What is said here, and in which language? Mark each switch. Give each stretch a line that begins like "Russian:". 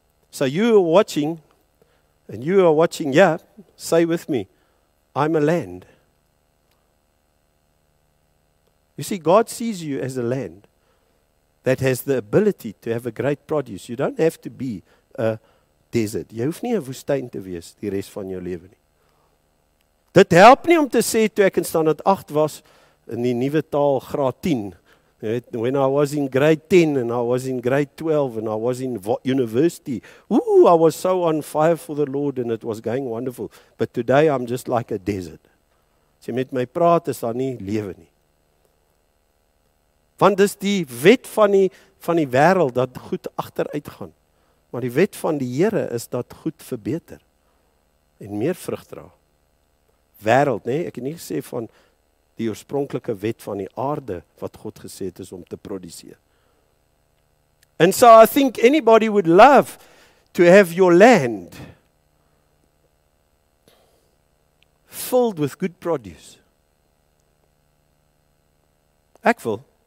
English: So you are watching, and you are watching, yeah, say with me, I'm a land. You see, God sees you as a land that has the ability to have a great produce. You don't have to be a desert.
Afrikaans: Jy hoef nie 'n woestyn te wees die res van jou lewe nie. Dit help nie om te sê, toe ek in standaard 8 was, in die nuwe taal graad 10,
English: when I was in grade 10 and I was in grade 12 and I was in university, ooh, I was so on fire for the Lord and it was going wonderful. But today I'm just like a desert.
Afrikaans: As jy met my praat, is daar nie lewe nie. Want dis die wet van die wêreld dat goed agteruit gaan. Maar die wet van die Here is dat goed verbeter en meer vrug dra. Wêreld, nee, ek het nie gesê van die oorspronklike wet van die aarde wat God gesê het is om te produseer.
English: And so I think anybody would love to have your land filled with good produce.
Afrikaans: Ek wil.